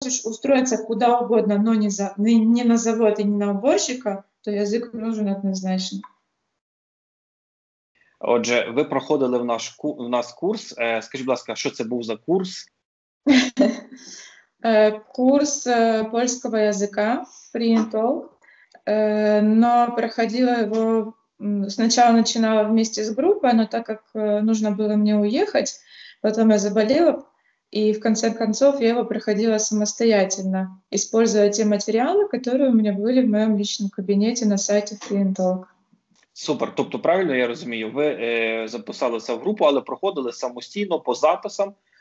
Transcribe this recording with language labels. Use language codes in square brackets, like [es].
[ru] хочеш устроиться куда угодно, но не за не на завод и не на уборщика, то язык нужен однозначно. [uk] Отже, ви проходили в наш курс. Скажіть, будь ласка, що це був за курс? [ru] Курс польского языка Printol. Но проходила его сначала начинала вместе с группой, но так как нужно было мне уехать, потом я заболела, и в конце концов я его проходила самостоятельно, используя те материалы, которые у меня были в моем личном кабинете на сайте Printol. [uk] Супер. Тобто правильно я розумію, ви записалися в групу, але проходили самостійно по записам.